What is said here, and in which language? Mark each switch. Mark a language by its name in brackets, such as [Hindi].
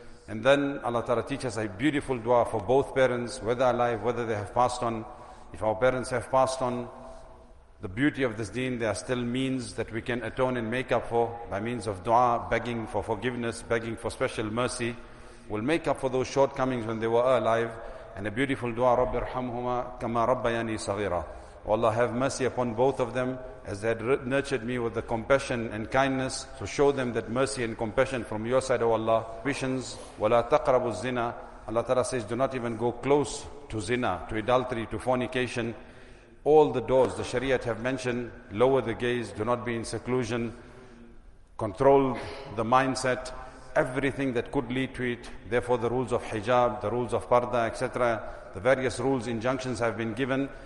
[English] And then Allah Ta'ala teaches a beautiful dua for both parents, whether alive, whether they have passed on. If our parents have passed on, the beauty of this deen, there are still means that we can atone and make up for by means of dua, begging for forgiveness, begging for special mercy. We'll make up for those shortcomings when they were alive. And a beautiful dua, [Arabic] رَبِّ ارْحَمْهُمَا كَمَا رَبَّيَانِي صَغِيرًا. [English] Oh Allah, have mercy upon both of them as they had nurtured me with the compassion and kindness. So show them that mercy and compassion from your side, O Allah. Visions, [Arabic] وَلَا تَقْرَبُوا الزِّنَا. [English] Allah Ta'ala says, do not even go close to zina, to adultery, to fornication. All the doors the Shariat have mentioned, lower the gaze, do not be in seclusion, control the mindset, everything that could lead to it. Therefore the rules of hijab, the rules of parda, etc., the various rules, injunctions have been given.